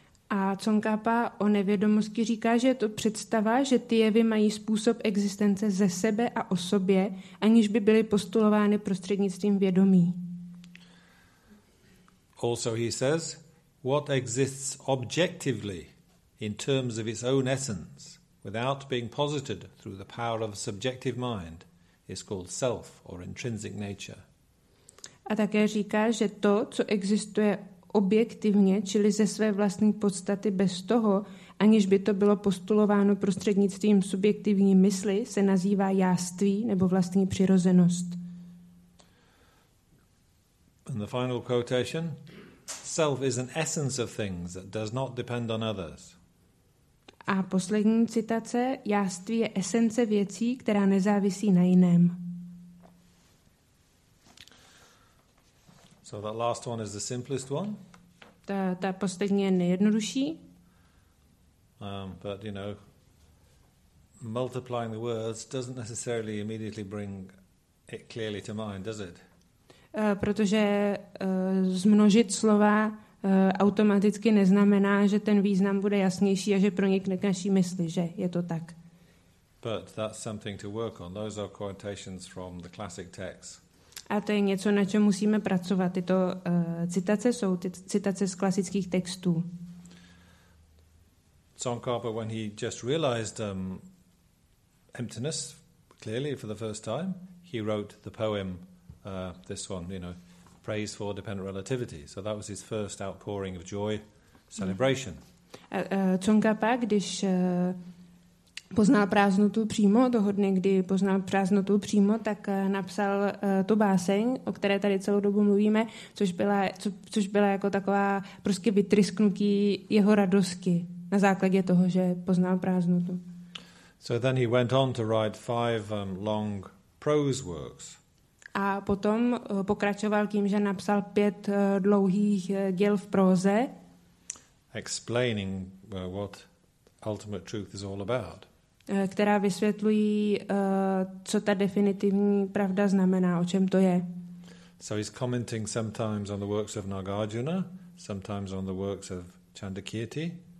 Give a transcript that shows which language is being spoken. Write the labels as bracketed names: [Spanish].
[Czech] A Tsongkhapa o nevědomosti říká, že je to představa, že ty jevy mají způsob existence ze sebe a o sobě, aniž by byly postulovány prostřednictvím vědomí. [English] Also he says, what exists objectively in terms of its own essence without being posited through the power of a subjective mind is called self or intrinsic nature. [Czech] A také říká, že to, co existuje objektivně, čili ze své vlastní podstaty bez toho, aniž by to bylo postulováno prostřednictvím subjektivní mysli, se nazývá jáství nebo vlastní přirozenost. [English] And the final quotation, self is an essence of things that does not depend on others. [Czech] A poslední citace, jáství je esence věcí, která nezávisí na jiném. [English] So that last one is the simplest one. [Czech] Ta poslední je nejjednodušší. [English] But you know, multiplying the words doesn't necessarily immediately bring it clearly to mind, does it? [Czech] Protože zmnožit slova automaticky neznamená, že ten význam bude jasnější a že pronikne k naší mysli, že je to tak. [English] But that's something to work on. Those are quotations from the classic texts. [Czech] A to je něco, na čem musíme pracovat. Tyto citace jsou citace z klasických textů. [English] Tsongkhapa, when he just realized emptiness clearly for the first time, he wrote the poem, this one, you know, Praise for Dependent Relativity. So that was his first outpouring of joy, celebration. [Czech] Tsongkhapa, když poznal prázdnotu přímo, toho dne, kdy poznal prázdnotu přímo, tak napsal tu báseň, o které tady celou dobu mluvíme, což byla jako taková prostě vytrysknutí jeho radosti na základě toho, že poznal prázdnotu. [English] So then he went on to write 5 long prose works. [Czech] A potom pokračoval tím, že napsal 5 dlouhých děl v próze. [English] Explaining what ultimate truth is all about. [Czech] Která vysvětlují, co ta definitivní pravda znamená, o čem to je. [English] So he's commenting sometimes on the works of Nagarjuna, sometimes on the works of Chandrakirti.